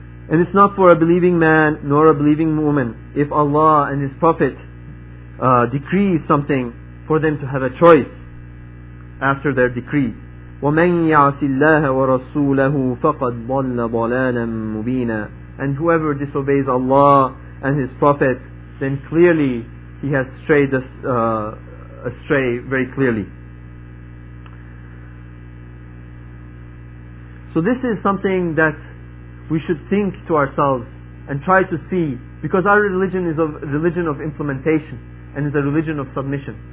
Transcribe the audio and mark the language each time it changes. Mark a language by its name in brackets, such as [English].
[English] And it's not for a believing man nor a believing woman if Allah and His Prophet decree something for them to have a choice after their decree. [Arabic] ومن يعص الله ورسوله فقد ضل ضلالا مبينا. [English] And whoever disobeys Allah and His Prophet, then clearly he has strayed astray very clearly. So this is something that we should think to ourselves and try to see, because our religion is a religion of implementation and is a religion of submission.